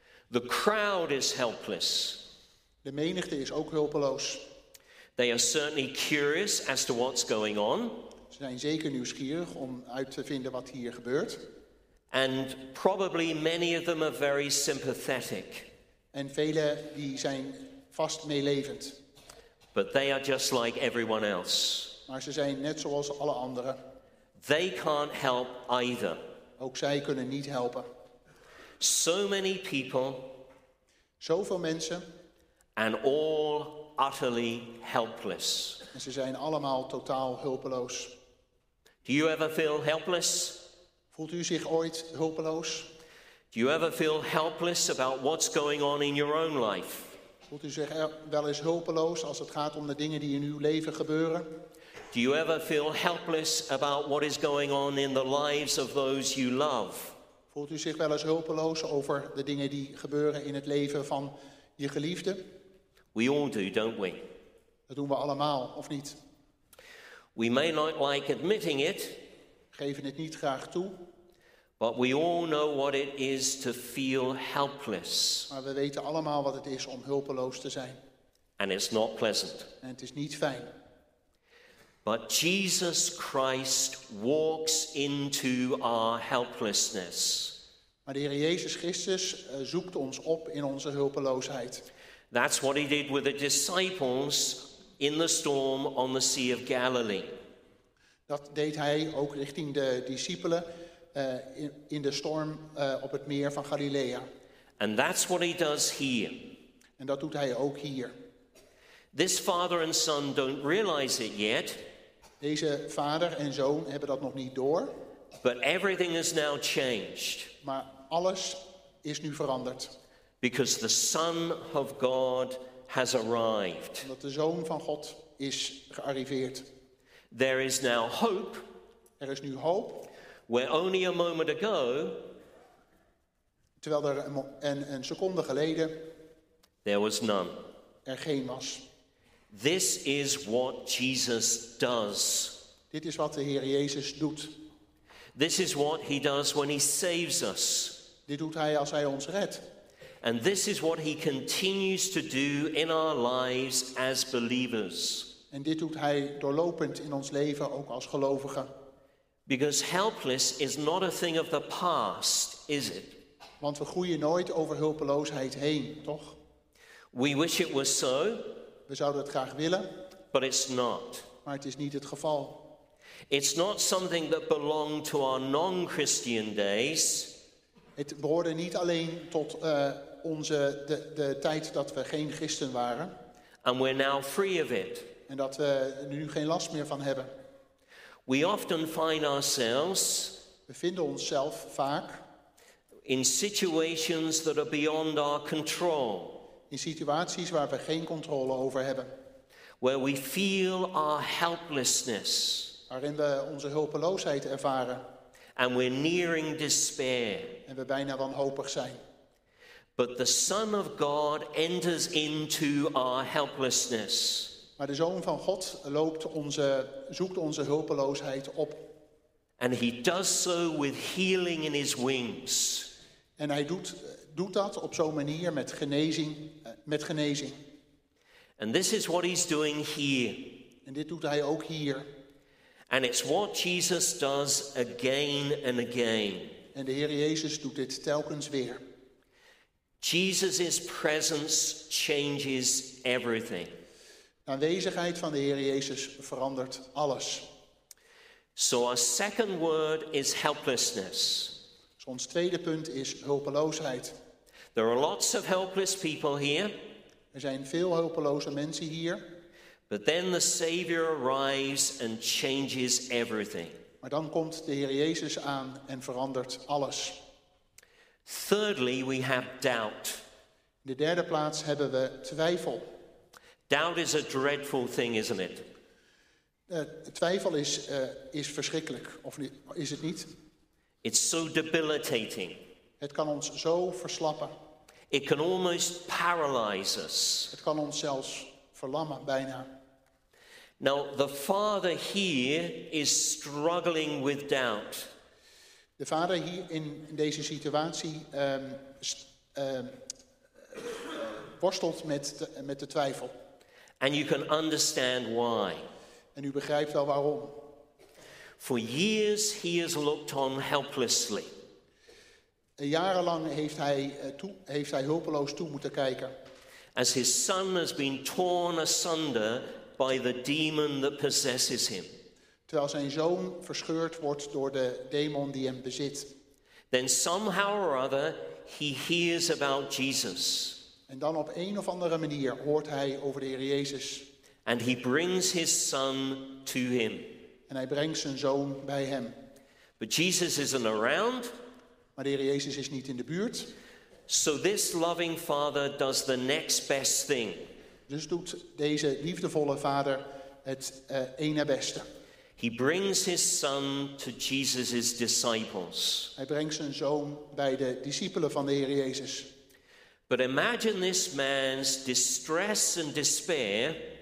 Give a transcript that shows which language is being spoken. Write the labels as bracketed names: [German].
[English] The crowd is helpless. [Dutch] De menigte is ook hulpeloos. [English] They are certainly curious as to what's going on. [Dutch] Ze zijn zeker nieuwsgierig om uit te vinden wat hier gebeurt. [English] And probably many of them are very sympathetic. [Dutch] En velen die zijn vast meelevend. [English] But they are just like everyone else. [Dutch] Maar ze zijn net zoals alle anderen. [English] They can't help either. [Dutch] Ook zij kunnen niet helpen. [English] So many people. [Dutch] Zoveel mensen. [English] And all utterly helpless. [Dutch] En ze zijn allemaal totaal hulpeloos. [English] Do you ever feel helpless? [Dutch] Voelt u zich ooit hulpeloos? [English] Do you ever feel helpless about what's going on in your own life? [Dutch] Voelt u zich wel eens hulpeloos als het gaat om de dingen die in uw leven gebeuren? [English] Do you ever feel helpless about what is going on in the lives of those you love? [Dutch] Voelt u zich wel eens hulpeloos over de dingen die gebeuren in het leven van je geliefde? [English] We all do, don't we? [Dutch] Dat doen we allemaal, of niet? [English] We may not like admitting it. [Dutch] Geven het niet graag toe. [English] But we all know what it is to feel helpless. [Dutch] Maar we weten allemaal wat het is om hulpeloos te zijn. [English] And it's not pleasant. [Dutch] En het is niet fijn. [English] But Jesus Christ walks into our helplessness. [Dutch] Maar de Heer Jezus Christus zoekt ons op in onze hulpeloosheid. [English] That's what he did with the disciples in the storm on the Sea of Galilee. [Dutch] Dat deed hij ook richting de discipelen in de storm op het meer van Galilea. [English] And that's what he does here. [Dutch] En dat doet hij ook hier. [English] This father and son don't realize it yet. [Dutch] Deze vader en zoon hebben dat nog niet door. [English] But everything is now changed. [Dutch] Maar alles is nu veranderd. [English] Because the Son of God has arrived. [Dutch] Omdat de Zoon van God is gearriveerd. [English] There is now hope. [Dutch] Er is nu hoop. [English] Where only a moment ago. [Dutch] Terwijl er een seconde geleden. [English] There was none. [Dutch] Er geen was. [English] This is what Jesus does. [Dutch] Dit is wat de Heer Jezus doet. [English] This is what he does when he saves us. [Dutch] Dit doet hij als hij ons redt. [English] And this is what he continues to do in our lives as believers. [Dutch] En dit doet hij doorlopend in ons leven ook als gelovigen. [English] Because helpless is not a thing of the past, is it? [Dutch] Want we groeien nooit over hulpeloosheid heen, toch? [English] We wish it was so. [Dutch] We zouden het graag willen. [English] But it's not. [Dutch] Maar het is niet het geval. [English] It's not something that belonged to our non-Christian days. [Dutch] Het behoorde niet alleen tot de tijd dat we geen christen waren. [English] And we're now free of it. [Dutch] En dat we nu geen last meer van hebben. [English] We often find ourselves. [Dutch] We vinden onszelf vaak. [English] In situations that are beyond our control. [Dutch] In situaties waar we geen controle over hebben. [English] Where we feel our helplessness. [Dutch] Waarin we onze hulpeloosheid ervaren. [English] And we're nearing despair. [Dutch] En we bijna wanhopig zijn. [English] But the Son of God enters into our helplessness. [Dutch] Maar de Zoon van God zoekt onze hulpeloosheid op. [English] And he does so with healing in his wings. [Dutch] En hij doet dat op zo'n manier met genezing. [English] And this is what he's doing here. [Dutch] En dit doet hij ook hier. [English] And it's what Jesus does again and again. [Dutch] En de Heer Jezus doet dit telkens weer. [English] Jesus' presence changes everything. [Dutch] De aanwezigheid van de Heer Jezus verandert alles. [English] So our second word is helplessness. [Dutch] Dus ons tweede punt is hulpeloosheid. [English] There are lots of helpless people here. [Dutch] Er zijn veel hulpeloze mensen hier. [English] But then the Savior arrives and changes everything. [Dutch] Maar dan komt de Heer Jezus aan en verandert alles. [English] Thirdly, we have doubt. [Dutch] In de derde plaats hebben we twijfel. [English] Doubt is a dreadful thing, isn't it? [Dutch] Twijfel is is verschrikkelijk, of is het niet? [English] It's so debilitating. [Dutch] Het kan ons zo verslappen. [English] It can almost paralyze us. [Dutch] Het kan ons zelfs verlammen, bijna. [English] Now, the father here is struggling with doubt. [Dutch] De vader hier in deze situatie worstelt met de twijfel. [English] And you can understand why. [Dutch] En u begrijpt wel waarom. [English] For years he has looked on helplessly. [Dutch] Jarenlang heeft hij hulpeloos toe moeten kijken. [English] As his son has been torn asunder by the demon that possesses him. [Dutch] Terwijl zijn zoon verscheurd wordt door de demon die hem bezit. [English] Then somehow or other he hears about Jesus. [Dutch] En dan op een of andere manier hoort hij over de Heer Jezus. [English] And he brings his son to him. [Dutch] En hij brengt zijn zoon bij hem. [English] But Jesus isn't around. [Dutch] Maar de Heer Jezus is niet in de buurt. [English] So this loving father does the next best thing. [Dutch] Dus doet deze liefdevolle vader het ene beste. [English] He brings his son to Jesus's disciples. [Dutch] Hij brengt zijn zoon bij de discipelen van de Heer Jezus. [English] But imagine this man's distress and despair.